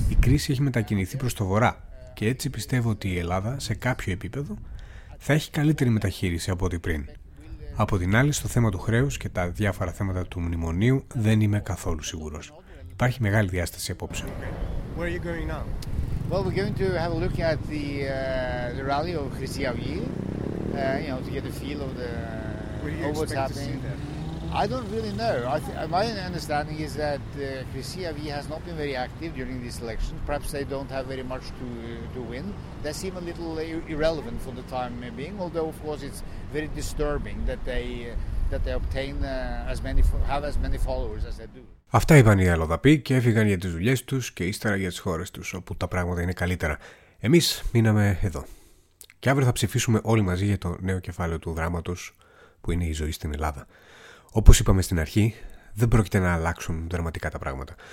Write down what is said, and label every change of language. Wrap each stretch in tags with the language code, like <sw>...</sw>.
<el>Η κρίση έχει μετακινηθεί προς το βορρά και έτσι πιστεύω ότι η Ελλάδα σε κάποιο επίπεδο θα έχει καλύτερη μεταχείριση από ό,τι πριν. Από την άλλη, στο θέμα του χρέους και τα διάφορα θέματα του μνημονίου δεν είμαι καθόλου σίγουρος. Υπάρχει μεγάλη διάσταση απόψε.</el> <en>Where are you going now? Well, we're going to have a look at the rally of Χρυσή Αυγή, you know, to get a feel of the what's happening. I don't really know. My understanding is that Χρυσή Αυγή has not been very active during this election. Perhaps they don't have very much to win. They seem a little irrelevant for the time being. Although, of course, it's very disturbing that they obtain have as many followers as they do.</en> <el>Αυτά είπαν οι αλλοδαποί και έφυγαν για τις δουλειές τους και ύστερα για τις χώρες τους όπου τα πράγματα είναι καλύτερα. Εμείς μείναμε εδώ. Και αύριο θα ψηφίσουμε όλοι μαζί για το νέο κεφάλαιο του δράματος που είναι η ζωή στην Ελλάδα. Όπως είπαμε στην αρχή, δεν πρόκειται να αλλάξουν δραματικά τα πράγματα.</el>